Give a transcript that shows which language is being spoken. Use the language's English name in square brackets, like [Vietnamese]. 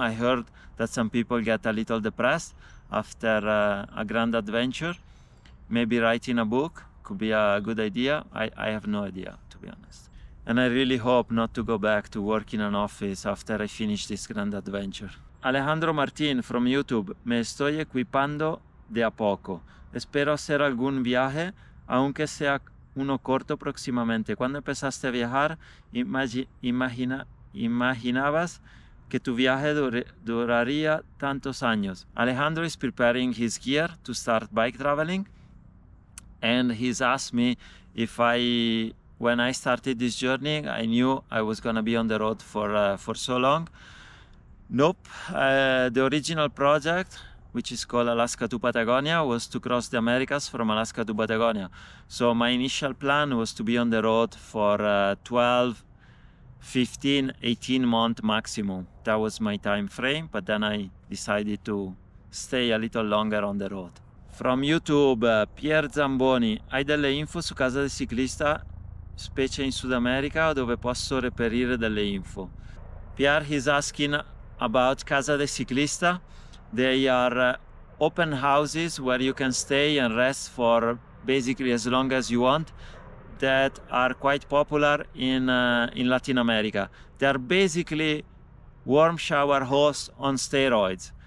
[English] I heard that some people get a little depressed after a grand adventure. Maybe writing a book could be a good idea. I have no idea, to be honest. And I really hope not to go back to work in an office after I finish this grand adventure. [Spanish] Alejandro Martin [English] from YouTube. [Spanish] Me estoy equipando de a poco. Espero hacer algún viaje, aunque sea uno corto próximamente. Cuando empezaste a viajar, imaginabas que tu viaje duraría tantos años. [English] Alejandro is preparing his gear to start bike traveling, and he's asked me if when I started this journey, I knew I was going to be on the road for so long. Nope. The original project, which is called Alaska to Patagonia, was to cross the Americas from Alaska to Patagonia. So my initial plan was to be on the road for 12, 15, 18 months maximum. That was my time frame, but then I decided to stay a little longer on the road. From YouTube, Pier Zamboni. [Italian] Hai delle info su casa del ciclista, specie in Sud America, dove posso reperire delle info? [English] Pier is asking about casa del ciclista. They are open houses where you can stay and rest for basically as long as you want, that are quite popular in Latin America. They are basically warm shower hosts on steroids.